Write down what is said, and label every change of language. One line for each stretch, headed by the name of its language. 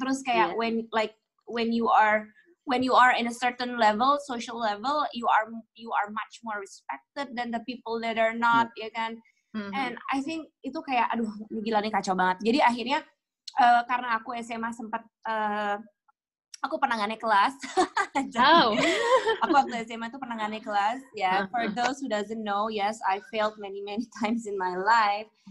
Indonesian: Terus kayak
English: when you are in a certain level, social level, you are much more respected than the people that are not,
Indonesian: ya kan.
English: And I think
Indonesian: itu kayak, aduh gila nih, kacau banget. Jadi akhirnya, karena aku SMA sempat aku pernah nganek kelas. Aku waktu SMA tuh pernah nganek kelas.
English: Yeah. For those who doesn't know, yes, I failed many times in my life.